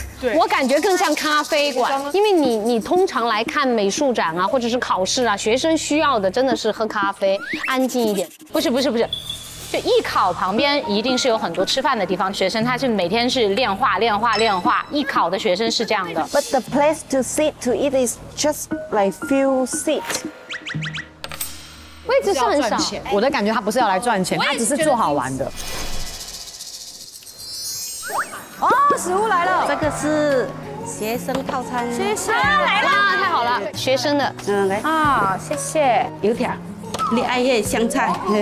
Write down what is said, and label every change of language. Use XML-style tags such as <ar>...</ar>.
<zh>对，我感觉更像咖啡馆，因为你通常来看美术展啊，或者是考试啊，学生需要的真的是喝咖啡，安静一点。不是，就艺考旁边一定是有很多吃饭的地方，学生他是每天是练画，艺考的学生是这样的。</zh> <en>But the place to sit to eat is just like few seat.</en> <zh>位置是很少，我的感觉他不是要来赚钱，他只是做好玩的。哦，食物来了，这个是学生套餐。学生来了，太好了，学生的，嗯，来啊，谢谢。油条，你爱叶香菜，</zh>